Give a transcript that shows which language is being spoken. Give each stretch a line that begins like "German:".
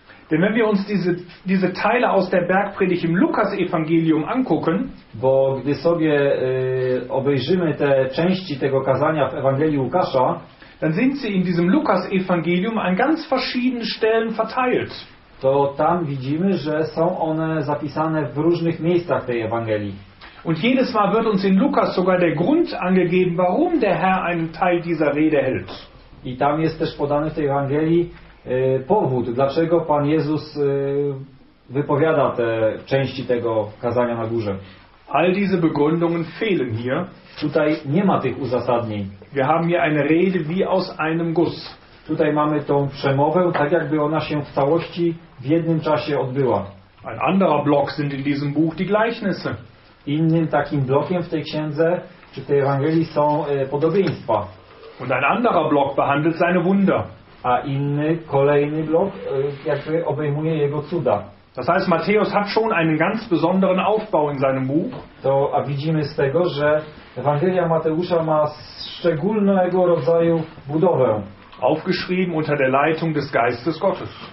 German: Denn wenn wir uns diese Teile aus der Bergpredigt im Lukas-Evangelium angucken,
Polish: bo gdy sobie obejrzymy te części tego kazania w Ewangelii Łukasza,
German: dann sind sie in diesem Lukas-Evangelium an ganz verschiedenen Stellen verteilt.
Polish: To tam widzimy, że są one zapisane w różnych miejscach tej Ewangelii.
German: Und jedes Mal wird uns in Lukas sogar der Grund angegeben, warum der Herr einen Teil dieser Rede hält.
Polish: I tam jest też podany w tej Ewangelii powód, dlaczego Pan Jezus wypowiada te części tego kazania na górze.
German: All diese Begründungen fehlen hier.
Polish: Tutaj nie ma tych uzasadnień.
German: Wir haben hier eine Rede wie aus einem Guss.
Polish: Tutaj mamy tą przemowę, tak jakby ona się w całości w jednym czasie odbyła.
German: Ein anderer Block sind in diesem Buch die Gleichnisse.
Polish: Innym takim blokiem w tej księdze, czy w tej Ewangelii są podobieństwa.
German: Und ein anderer Block behandelt seine Wunder.
Polish: A inny, kolejny blok jakby obejmuje jego cuda.
German: Das heißt, Matthäus hat schon einen ganz besonderen Aufbau in seinem Buch.
Polish: To, a widzimy z tego, że Ewangelia Mateusza ma szczególnego rodzaju budowę.
German: Aufgeschrieben unter der Leitung des Geistes Gottes.